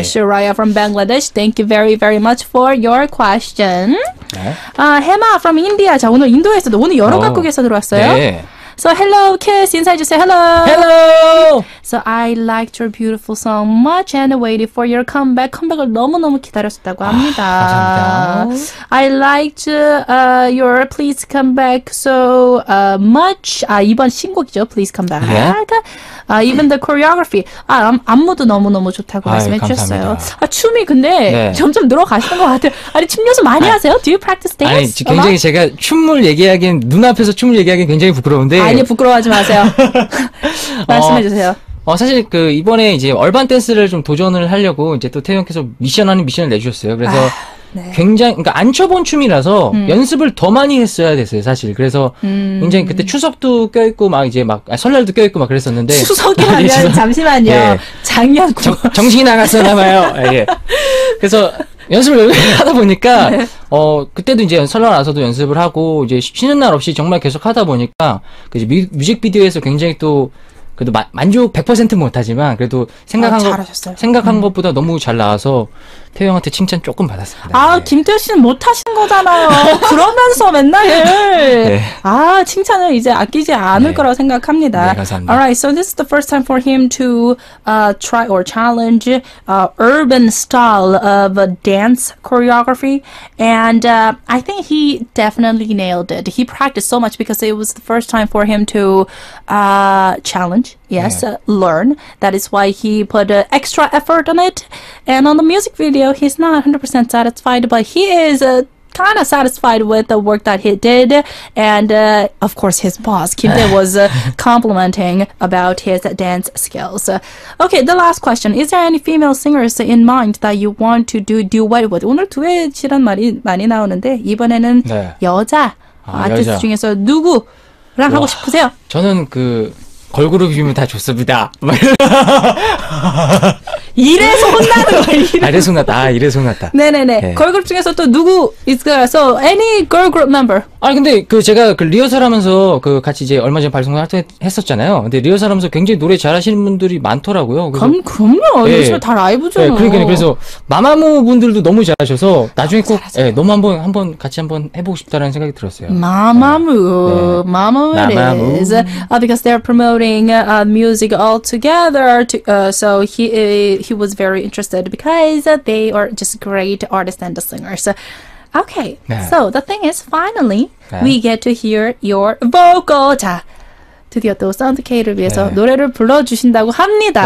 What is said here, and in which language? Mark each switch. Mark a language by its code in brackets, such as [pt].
[en] Shariah from Bangladesh, thank you very, very much for your question. [ko] 네. 아, Hema from India. 자, 오늘 인도에서도 오늘 여러 각국에서 들어왔어요. 네. [en] So hello, KIXS, [ko] 인사해주세요. [en] Hello. Hello. So I liked your beautiful song much and waited for your comeback. [ko] 컴백을 너무너무 기다렸었다고 합니다. 감사합니다. [en] I liked your Please Come Back so much. [ko] 아, 이번 신곡이죠. Please Come Back. [en] Yeah. Even the choreography. [ko] 아, 안무도 너무너무 좋다고 말씀해 주셨어요. 아, 춤이 근데 네. 점점 늘어가시는 것 같아요. 아니, 춤 연습 많이 하세요? [en] Do you practice dance? [ko] 아니, 굉장히 어머? 제가 춤을 얘기하기엔, 눈앞에서 춤을 얘기하기엔 굉장히 부끄러운데. 아니요, 부끄러워하지 마세요. 말씀해 주세요. 사실 그 이번에 이제 얼반 댄스를 좀 도전을 하려고 이제 또 태연께서 미션하는 미션을 내주셨어요. 그래서 네. 굉장히 그러니까 안 쳐본 춤이라서 연습을 더 많이 했어야 됐어요, 사실. 그래서 굉장히 그때 추석도 껴있고 막 이제 막 설날도 껴있고 막 그랬었는데 추석이라면 잠시만요. 예. 작년 정신이 나갔었나 봐요. 예. 그래서 연습을 하다 보니까 네. 그때도 이제 설날 와서도 연습을 하고 이제 쉬는 날 없이 정말 계속 하다 보니까 그 이제 뮤직비디오에서 굉장히 또 그래도 만족 100% 못하지만 그래도 생각한 것보다 너무 잘 나와서 태우 형한테 칭찬 조금 받았습니다. 아, 네. 김태우 씨는 못하신 거잖아요. 그러면서 맨날. 네. 아, 칭찬을 이제 아끼지 않을 네. 거라고 생각합니다. 네, 감사합니다. [en] Alright, so this is the first time for him to try or challenge urban style of dance choreography. And I think he definitely nailed it. He practiced so much because it was the first time for him to challenge. Yes, yeah. Learn. That is why he put extra effort on it. And on the music video, he's not 100% satisfied, but he is kind of satisfied with the work that he did. And of course, his boss, Kim Dae, was complimenting about his dance skills. Okay, the last question. Is there any female singers in mind that you want to do duet with? [ko] 오늘 두엣이란 말이 많이 나오는데 이번에는 네. 여자 아티스트 중에서 누구랑 하고 싶으세요? 저는 그... 걸그룹이면 다 좋습니다. 이래서 혼나는 거 아니야? 이래서 혼났다. 아, 이래서 혼났다. 네네네. 네. 걸그룹 중에서 또 누구 있을까요? [en] So, any girl group member. [ko] 아 근데 그 제가 그 리허설 하면서 그 같이 이제 얼마 전에 방송을 했었잖아요. 근데 리허설 하면서 굉장히 노래 잘하시는 분들이 많더라고요. 그럼요. 네. 요즘에 다 라이브죠. 네, 그러니까요. 그래서 마마무 분들도 너무 잘하셔서 나중에 꼭 예, 너무 한번 같이 한번 해보고 싶다라는 생각이 들었어요. 마마무. 네. 마마무. 네. 마마무. [en] Because they're promoting. Music all together to, so he was very interested because they are just great artists and singers. Okay, yeah. So the thing is finally yeah. we get to hear your vocal. [ko] 자, 드디어 또 사운드 K를 위해서 네. 노래를 불러주신다고 합니다.